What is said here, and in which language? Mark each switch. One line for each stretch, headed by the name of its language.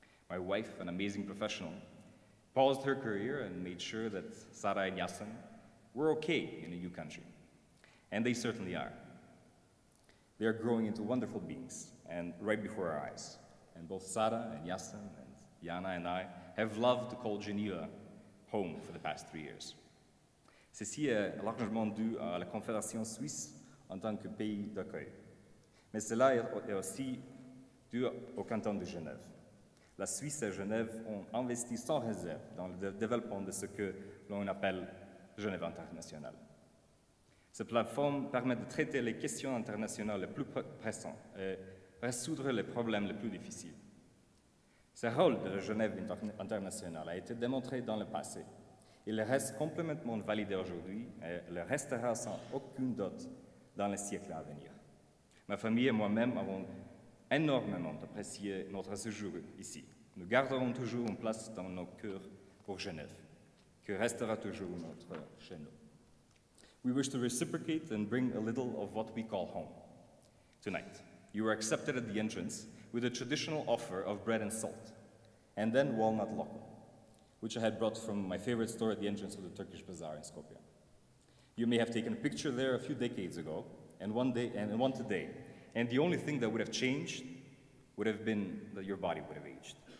English: My wife, an amazing professional, paused her career and made sure that Sara and Yasin were okay in a new country. And they certainly are. They are growing into wonderful beings, and right before our eyes. And both Sara and Yasin and Jana and I have loved to call Geneva home for the past 3 years.
French: Ceci est largement dû à la Confédération Suisse en tant que pays d'accueil. Mais cela est aussi dû au canton de Genève. La Suisse et Genève ont investi sans réserve dans le développement de ce que l'on appelle Geneva International. Cette plateforme permet de traiter les questions internationales les plus pressantes et résoudre les problèmes les plus difficiles. Ce rôle de Genève internationale a été démontré dans le passé. Il reste complètement validé aujourd'hui et le restera sans aucune dot dans les siècles à venir. Ma famille et moi-même avons énormément apprécié notre séjour ici. Nous garderons toujours une place dans nos cœurs pour Genève, qui restera toujours notre chez nous.
English: We wish to reciprocate and bring a little of what we call home. Tonight, you were accepted at the entrance with a traditional offer of bread and salt, and then walnut loco, which I had brought from my favorite store at the entrance of the Turkish bazaar in Skopje. You may have taken a picture there a few decades ago, and one today, and the only thing that would have changed would have been that your body would have aged.